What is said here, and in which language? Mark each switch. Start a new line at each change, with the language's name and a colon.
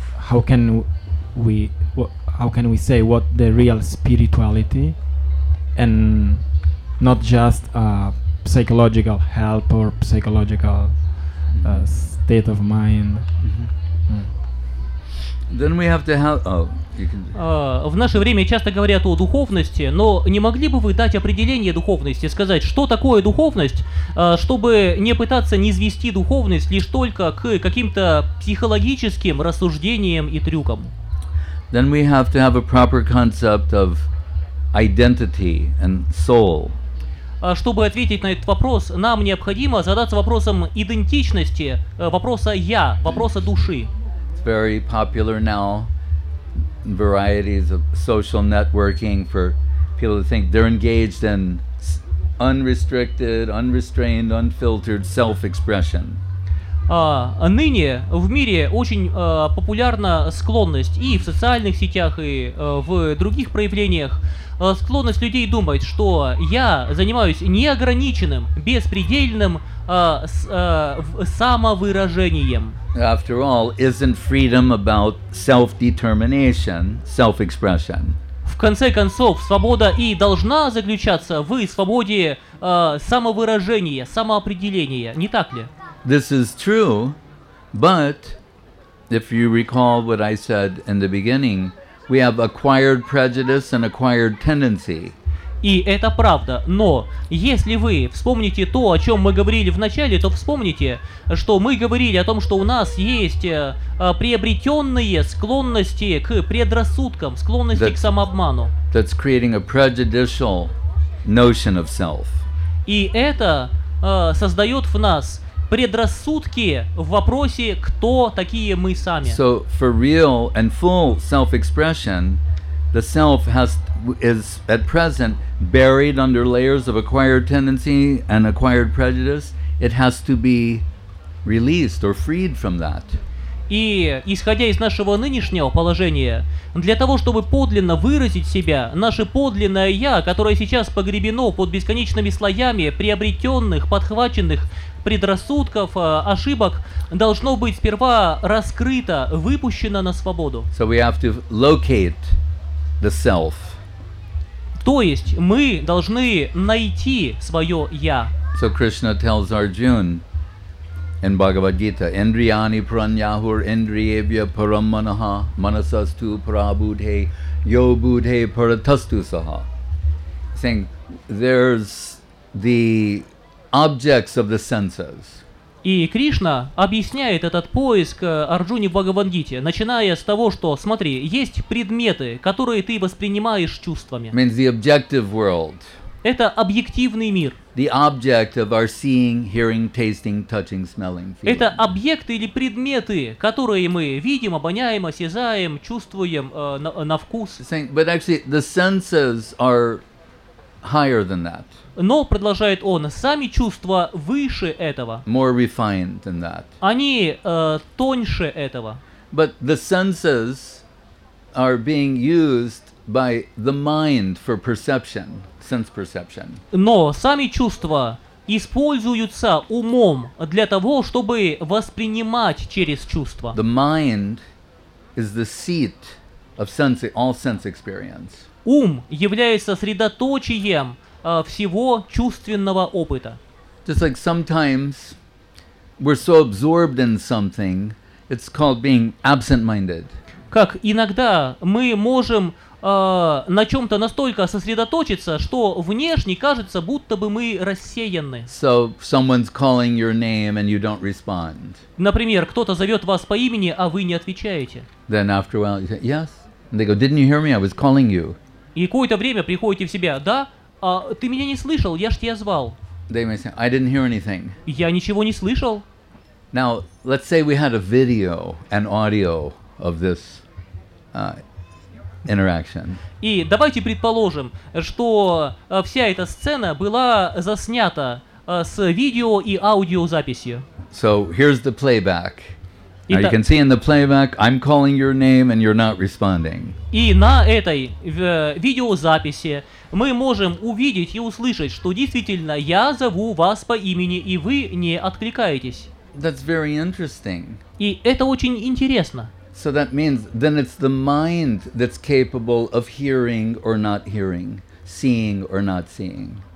English: How can we say what the real spirituality, and not just a psychological help or psychological state of mind. Mm-hmm. Then we have to have. Oh, you can.
Russian: В наше время часто говорят о духовности, но не могли бы вы дать определение духовности, сказать, что такое духовность, чтобы не пытаться низвести духовность лишь только к каким-то психологическим рассуждениям и трюкам.
English: Then we have to have a proper concept of identity and soul.
Russian: Чтобы ответить на этот вопрос, нам необходимо задаться вопросом идентичности, вопроса «я», вопроса души.
English: It's very popular now, varieties of social networking for people to think they're engaged in unrestricted, unrestrained, unfiltered self-expression.
Russian: Ныне в мире очень популярна склонность и в социальных сетях, и в других проявлениях. Склонность людей думать, что я занимаюсь неограниченным, беспредельным самовыражением.
English: After all, isn't freedom about self-determination, self-expression?
Russian: В конце концов, свобода и должна заключаться в свободе самовыражения, самоопределения, не так ли?
English: This is true, but if you recall what I said in the beginning, we have acquired prejudice and acquired tendency.
Russian: И это правда, но если вы вспомните то, о чем мы говорили в начале, то вспомните, что мы говорили о том, что у нас есть приобретенные склонности к предрассудкам, склонности к самообману.
English: That's creating a prejudicial notion of self.
Russian: И это создает в нас предрассудки в вопросе, кто такие мы сами.
English: So for real and full self-expression, the self has is at present buried under layers of acquired tendency and acquired prejudice. It has to be released or freed from that.
Russian: И исходя из нашего нынешнего положения, для того, чтобы подлинно выразить себя, наше подлинное «я», которое сейчас погребено под бесконечными слоями приобретенных, подхваченных предрассудков, ошибок, должно быть сперва раскрыто, выпущено на свободу.
English: So we have to locate the self.
Russian: То есть мы должны найти свое «я».
English: So Krishna tells Arjuna, in Bhagavad Gita,
Sanskrit: Indriyani Pranyahur Indriyevya Paramanaha Manasastu Prabhudhe Yo Budhe Paratastu Saha.
English: Saying, there's the objects of the senses.
Russian: И Кришна объясняет этот поиск Арджуне в Бхагавад Гите, начиная с того, что, смотри, есть предметы, которые ты воспринимаешь чувствами.
English: Means the objective world.
Russian: Это объективный мир.
English: The object of our seeing, hearing, tasting, touching, smelling, feeling.
Russian: Это объекты или предметы, которые мы видим, обоняем, осязаем, чувствуем на вкус.
English: But actually, the senses are higher than that.
Russian: Но, продолжает он, сами чувства выше этого.
English: More refined than that.
Russian: Они тоньше этого.
English: But the senses are being used by the mind for perception. Sense perception.
Russian: Но сами чувства используются умом для того, чтобы воспринимать через чувства.
English: The mind is the seat of sense, all sense experience.
Russian: Ум является средоточием всего чувственного опыта.
English: Just like sometimes we're so absorbed in something, it's called being absent-minded.
Russian: Как иногда мы можем на чем-то настолько сосредоточиться, что внешне кажется, будто бы мы рассеянны.
English: So someone's calling your name and you don't respond.
Russian: Например, кто-то зовет вас по имени, а вы не отвечаете.
English: Then after a while you say, yes. And they go, didn't you hear me? I was calling you.
Russian: И какое-то время приходите в себя, да, а ты меня не слышал, я ж тебя звал.
English: They may say, I didn't hear anything.
Russian: Я ничего не слышал.
English: Now, let's say we had a video, an audio of this interaction.
Russian: И давайте предположим, что вся эта сцена была заснята с видео и аудиозаписью.
English: So here's the playback. Now you can see in the playback, I'm calling your name and you're not responding.
Russian: И на этой видеозаписи мы можем увидеть и услышать, что действительно я зову вас по имени и вы не откликаетесь.
English: That's very interesting.
Russian: И это очень интересно.
English: So that means then it's the mind that's capable of hearing or not hearing, seeing or not seeing.